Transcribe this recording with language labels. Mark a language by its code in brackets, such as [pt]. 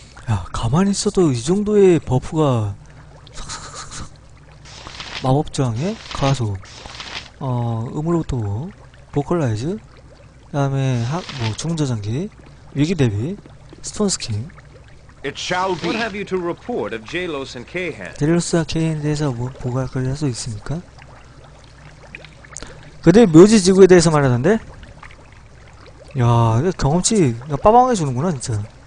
[ko] 야, 가만히 있어도 이 정도의 버프가 삭삭삭삭 마법 저항에 가서 음으로부터 뭐. 보컬라이즈, 다음에 뭐 중저장기, 위기 대비, 스톤 스킨. [en] It shall be. What have you to report of Jalos and Kahan? [ko] 데릴로스와 케인에 대해서 뭐 보고할 걸 할 수 있습니까? 그들 묘지 지구에 대해서 말하던데. 야, 이거 경험치 빠방해 주는구나 진짜.